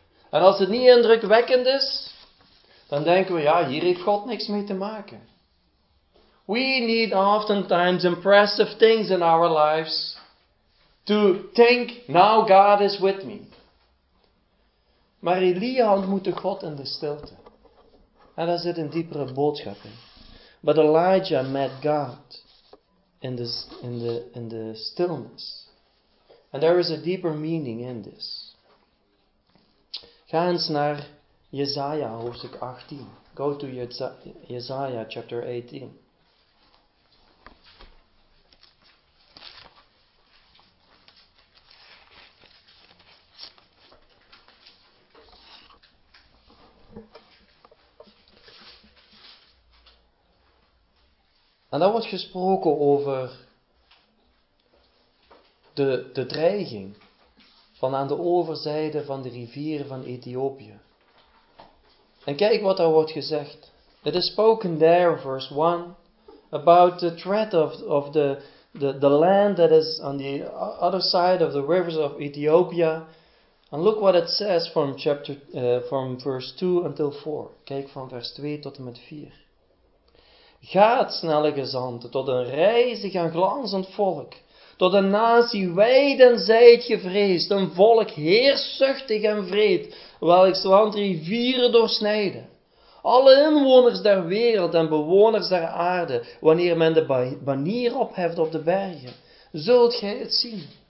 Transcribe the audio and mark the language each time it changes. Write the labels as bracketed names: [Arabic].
[Dutch] En als het niet indrukwekkend is, dan denken we, ja, hier heeft God niks mee te maken. [English] We need oftentimes impressive things in our lives to think, now God is with me. [Dutch] Maar Elia ontmoette God in de stilte. En daar zit een diepere boodschap in. [English] But Elijah met God in the stillness. And there is a deeper meaning in this. [Dutch] Ga eens naar Jesaja hoofdstuk 18. [English] Go to Jesaja chapter 18. [Dutch] En daar wordt gesproken over De dreiging van aan de overzijde van de rivier van Ethiopië. En kijk wat daar wordt gezegd. [English] It is spoken there, verse 1, about the threat of the land that is on the other side of the rivers of Ethiopia. And look what it says from verse 2 until 4. [Dutch] Kijk van vers 2 tot en met 4. Gaat, snelle gezanten, tot een reizig en glanzend volk. Tot een natie wijd en zijd gevreesd, een volk heerszuchtig en vreed, welks land rivieren doorsnijden. Alle inwoners der wereld en bewoners der aarde, wanneer men de banier opheft op de bergen, zult gij het zien.